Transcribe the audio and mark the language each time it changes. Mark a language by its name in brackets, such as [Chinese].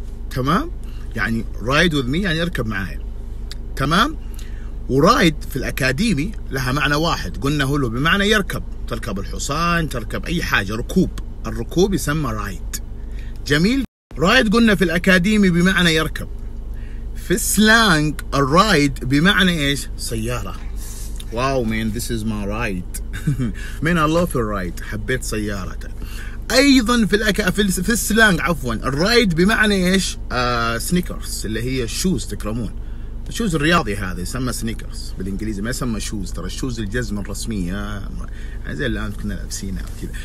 [Arabic] تمام, يعني رايد وذ مي يعني يركب معايا. تمام, ورايد في الأكاديمي لها معنى واحد قلنا هو بمعنى يركب, تركب الحصان, تركب أي حاجة, ركوب. الركوب يسمى رايد. جميل, رايد قلنا في الأكاديمي بمعنى يركب. في السلانج الرايد بمعنى إيش؟ سيارة. [English] Wow man, this is my ride. [Arabic] مين الله في الرايد, حبيت سيارته. أيضا في في السلانج عفوا الرايد بمعنى إيش؟ سنيكرز, اللي هي الشوز, تكرمون الشوز الرياضي, هذا يسمى سنيكرز بالإنجليزي, ما يسمى شوز. ترى الشوز الجزمة الرسمية زي الآن كنا لابسينها كذا.